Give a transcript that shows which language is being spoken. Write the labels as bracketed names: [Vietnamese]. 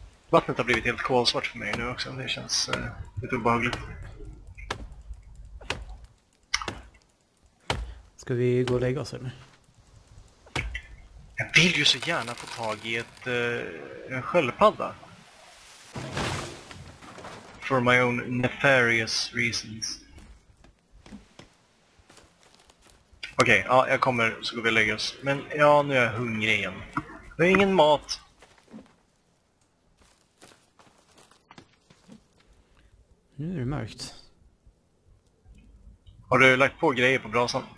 [Swedish] Vattnet har blivit helt kolsvart för mig nu också. Det känns lite obehagligt. Ska vi gå och lägga oss eller? Jag vill ju så gärna få tag i ett en sköldpadda. [English] For my own nefarious reasons. [Swedish] Okej, okay, ja, jag kommer så går vi lägga oss. Men ja, nu är jag hungrig igen. Jag har ingen mat. Nu är det mörkt. Har du lagt på grejer på brasan?